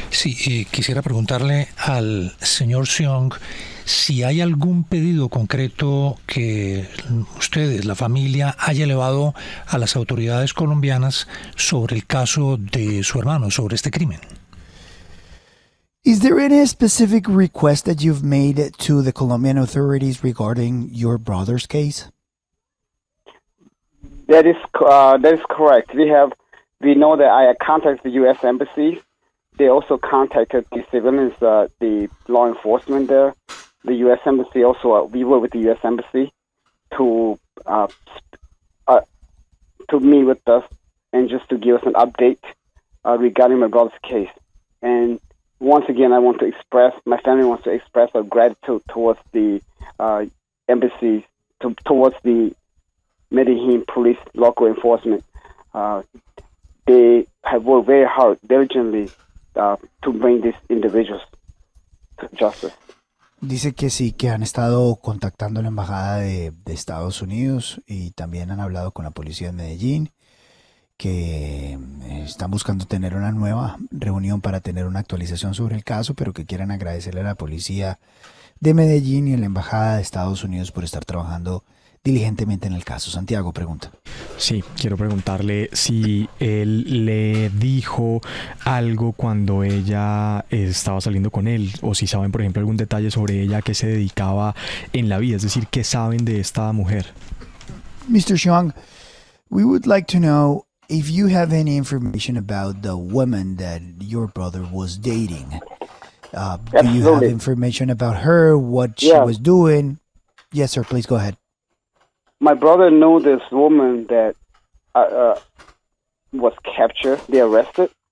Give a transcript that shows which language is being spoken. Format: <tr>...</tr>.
<es>Sí, quisiera preguntarle al señor Xiong si hay algún pedido concreto que ustedes, la familia, haya elevado a las autoridades colombianas sobre el caso de su hermano, sobre este crimen.</es> <en>Is there any specific request that you've made to the Colombian authorities regarding your brother's case? That is correct. We know that I contacted the U.S. Embassy. They also contacted the civilians, the law enforcement there. The U.S. Embassy also, we were with the U.S. Embassy to meet with us and just to give us an update regarding my brother's case. And once again, my family wants to express our gratitude towards the embassy, towards the Medellin police local enforcement. They have worked very hard, diligently, to bring these individuals to justice.</en> <es>Dice que sí, que han estado contactando la embajada de Estados Unidos y también han hablado con la policía de Medellín, que están buscando tener una nueva reunión para tener una actualización sobre el caso, pero que quieren agradecerle a la policía de Medellín y a la embajada de Estados Unidos por estar trabajando diligentemente en el caso. Santiago pregunta. Sí, quiero preguntarle si él le dijo algo cuando ella estaba saliendo con él, o si saben, por ejemplo, algún detalle sobre ella, qué se dedicaba en la vida, es decir, qué saben de esta mujer.</es> <en>Mr. Xiong, we would like to know if you have any information about the woman that your brother was dating. Do you have information about her, what she was doing? Yes, sir, please go ahead. My brother knew this woman that was captured. They arrested.</en>